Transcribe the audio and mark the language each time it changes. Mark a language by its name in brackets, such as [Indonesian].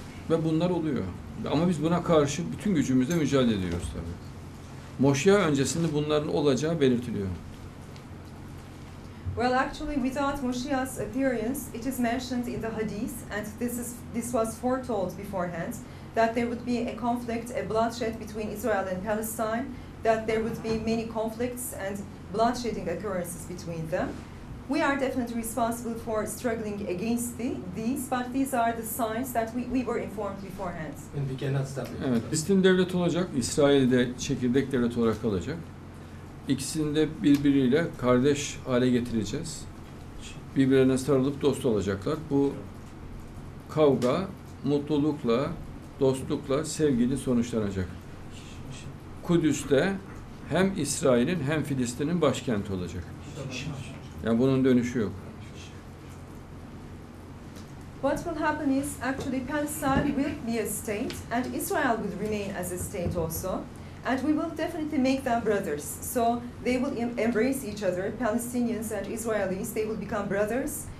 [Turkish] Ve bunlar oluyor. Ama biz buna karşı bütün gücümüzle mücadele ediyoruz tabii. Moşe'ye öncesinde bunların olacağı belirtiliyor. [English] Well, actually, without Moshiach's appearance, it is mentioned in the Hadith, and this was foretold beforehand, that there would be a conflict, a bloodshed between Israel and Palestine, that there would be many conflicts and bloodshedding occurrences between them. We are definitely responsible for struggling against these, but these are the signs that we were informed beforehand. And we cannot stop it. [Turkish] Evet, Filistin devlet olacak, İsrail de çekirdek devlet olarak kalacak. İkisini de birbiriyle kardeş hale getireceğiz. Birbirlerine sarılıp dost olacaklar. Bu kavga mutlulukla, dostlukla, sevgili sonuçlanacak. Kudüs'te hem İsrail'in hem Filistin'in başkenti olacak. Yani bunun dönüşü yok. [English] What will happen is actually Palestine will be a state and Israel will remain as a state also. And we will definitely make them brothers. So they will embrace each other, Palestinians and Israelis, they will become brothers.